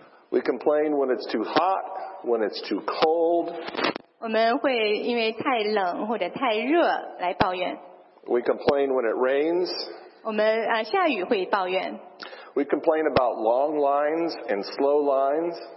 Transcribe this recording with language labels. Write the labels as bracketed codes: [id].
[en] We complain when it's too hot, when it's too cold. [zh] 我们会因为太冷或者太热来抱怨。 [en] We complain when it rains. [zh] 我们下雨会抱怨。 [en] We complain about long lines and slow lines.